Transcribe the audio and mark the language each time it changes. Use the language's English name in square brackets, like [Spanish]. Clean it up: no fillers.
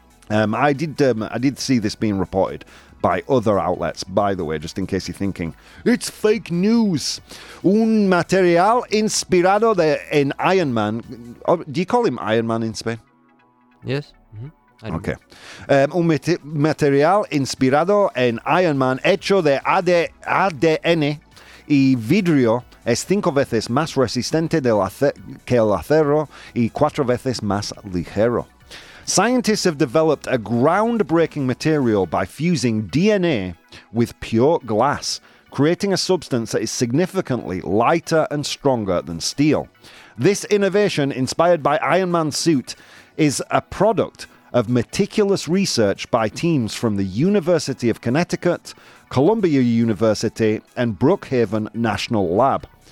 [English] I did see this being reported by other outlets, by the way, just in case you're thinking, it's fake news. [Spanish] Un material inspirado en Iron Man. [English] Do you call him Iron Man in Spain? Yes. Mm-hmm. Okay. [Spanish] Material inspirado en Iron Man hecho de ADN y vidrio. Es 5 veces más resistente que el acero y 4 veces más ligero. [English] Scientists have developed a groundbreaking material by fusing DNA with pure glass, creating a substance that is significantly lighter and stronger than steel. This innovation, inspired by Iron Man's suit, is a product of meticulous research by teams from the University of Connecticut, Columbia University, and Brookhaven National Lab.